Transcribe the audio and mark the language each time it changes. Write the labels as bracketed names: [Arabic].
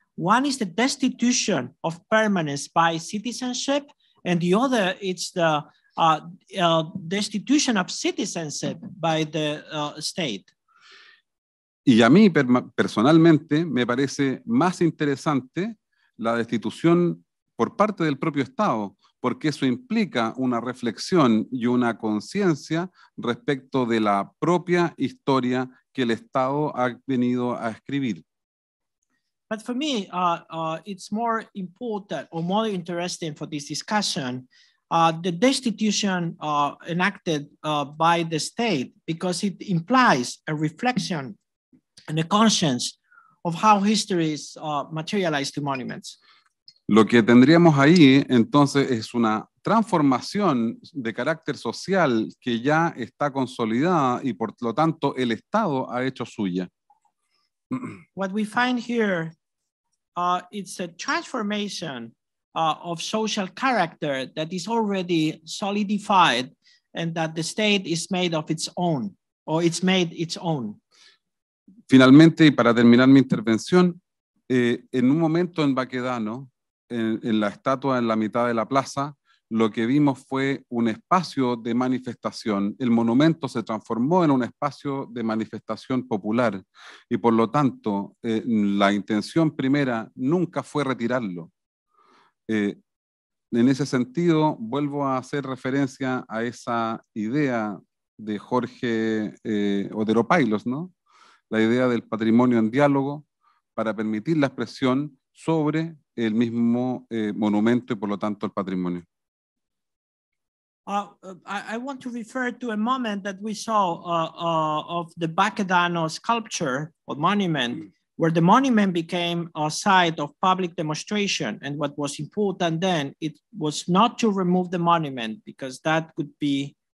[English] One is the destitution of permanence by citizenship, and the other is the destitution of citizenship by the state. [Spanish] Y a mí personalmente me parece más interesante la destitución por parte del propio Estado, porque eso implica una reflexión y una conciencia respecto de la propia historia que el Estado ha venido a escribir. [English] But for me, it's more important or more interesting for this discussion, the destitution enacted by the state, because it implies a reflection and a conscience of how history is materialized to monuments. [Spanish] Lo que tendríamos ahí, entonces, es una transformación de carácter social que ya está consolidada y, por lo tanto, el Estado ha hecho suya. [English] What we find here, it's a transformation of social character that is already solidified and that the state is made of its own, or it's made its own. [Spanish] Finalmente, y para terminar mi intervención, en un momento en Baquedano, en la estatua en la mitad de la plaza, lo que vimos fue un espacio de manifestación. El monumento se transformó en un espacio de manifestación popular y por lo tanto la intención primera nunca fue retirarlo. En ese sentido, vuelvo a hacer referencia a esa idea de Jorge Otero Pailos, ¿no? La idea del patrimonio en diálogo para permitir la expresión sobre el mismo monumento y por lo tanto el patrimonio. [English] I want to refer to a moment that we saw of the Baquedano sculpture or monument, where the monument became a site of public demonstration. And what was important then, it was not to remove the monument, because that could be